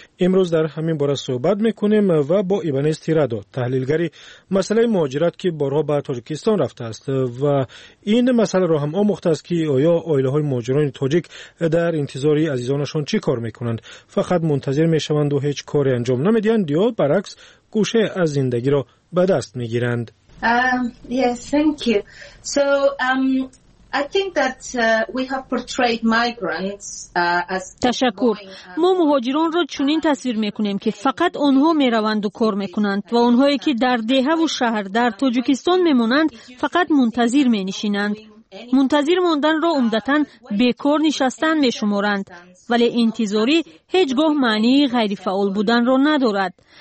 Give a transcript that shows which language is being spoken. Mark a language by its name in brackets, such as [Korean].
[Persian] امروز در همین باره صحبت میکنیم و با ایبانیز تیرادو تحلیلگری مسئله مهاجرت که بارها به تاجیکستان رفته است و این مسئله را هم آموخته است که آیا اویله های مهاجران تاجیک در انتظار عزیزانشان چی کار میکنند، فقط منتظر میشوند و هیچ کاری انجام نمیدهند یا برعکس گوشه از زندگی را به دست میگیرند؟ [English] Yes, thank you. So I think that we have portrayed migrants as [Persian] تشکر. ما مهاجران را چنین تصویر میکنیم که فقط آنها میروند و کار میکنند و آنهایی که در دهه و شهر در تاجیکستان میمانند فقط منتظر مینشینند. منتظر ماندن را عمدتاً بیکار نشستن میشمارند، ولی انتظاری هیچگاه معنی غیر فعال بودن را ندارد.